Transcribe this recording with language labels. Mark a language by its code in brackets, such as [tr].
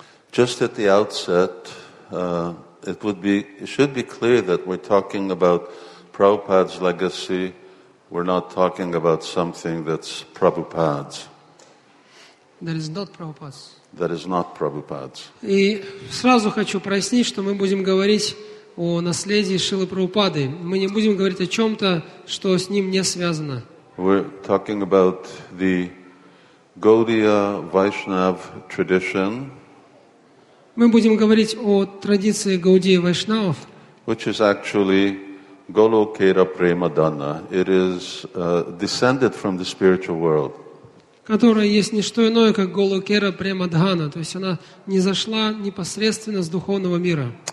[en] Just at the outset, it should be clear that we're talking about Prabhupada's legacy. We're not talking about something that's Prabhupada's. That is not Prabhupada's. [ru] И сразу хочу прояснить, что мы будем говорить о наследии Шрилы Прабхупады. Мы не будем говорить о чем-то, что с ним не связано. [en] We're talking about the Gaudiya Vaishnav tradition. [ru] Мы будем говорить о традиции Гаудии Вайшнавов. [en] Which is actually Golokera Premadana. It is descended from the spiritual world. [ru] Которая есть не что иное, как Голокера Премадхана. То есть она не зашла непосредственно с духовного мира.